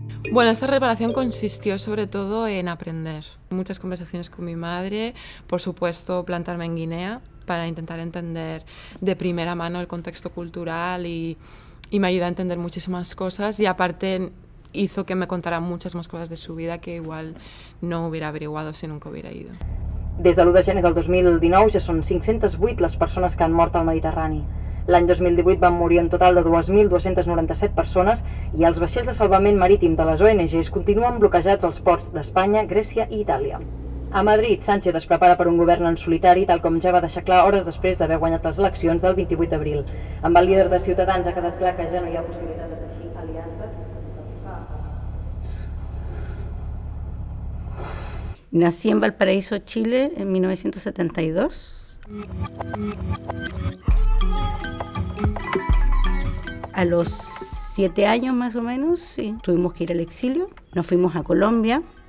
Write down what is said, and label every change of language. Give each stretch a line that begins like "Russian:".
Spanish: Bueno, esta reparación consistió sobre todo en aprender. Muchas conversaciones con mi madre, por supuesto, plantarme en Guinea para intentar entender de primera mano el contexto cultural y me ayudó a entender muchísimas cosas y aparte hizo que me contara muchas más cosas de su vida que igual no hubiera averiguado si nunca hubiera ido.
Catalan: Des de l'1 de gener del 2019 ja són 508 les persones que han mort al Mediterrani. L'any 2018 van morir un total de 2.297 persones i els vaixells de salvament marítim de les ONGs continuen bloquejats als ports d'Espanya, Grècia i Itàlia. A Madrid, Sánchez es prepara per un govern en solitari, tal com ja va deixar clar hores després d'haver guanyat les eleccions del 28 d'abril. Amb el líder de Ciutadans ha quedat clar que ja no hi ha possibilitat de teixir aliances.
Spanish: Nací en Valparaíso, Chile, en 1972. A los 7 años más o menos, sí, tuvimos que ir al exilio. Nos fuimos a Colombia.